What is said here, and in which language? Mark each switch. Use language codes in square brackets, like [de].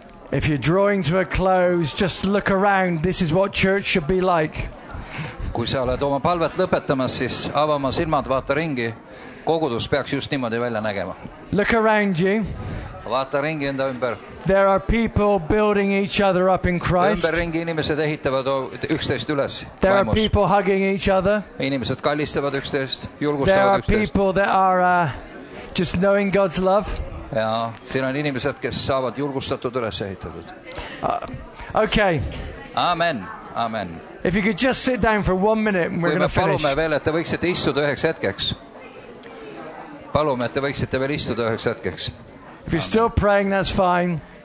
[en] If you're drawing to a close, just look around. This is what church should be like. [et] Kui sa oled oma palvet lõpetamas, siis ava oma silmad, vaata ringi. Kogudus peaks just niimoodi välja nägema. [en] Look around you. [et] Vaata ringi enda ümber. [en] There are people building each other up in Christ. [et] Ümber ringi inimesed ehitavad üksteist üles. [en] There are people hugging each other. [et] Inimesed kallistavad üksteist, julgustavad üksteist. [en] There are people that are just knowing God's love. [et] Ja, siin on inimesed, kes saavad julgustatud üles ehitatud. [en] Okay. Amen. Amen. If you could just sit down for one minute and we're going to finish. [et] Palume veel, et te võiksite istuda üheks hetkeks. Palume, et te võiksite veel istuda üheks hetkeks. [en] If you're still praying, that's fine.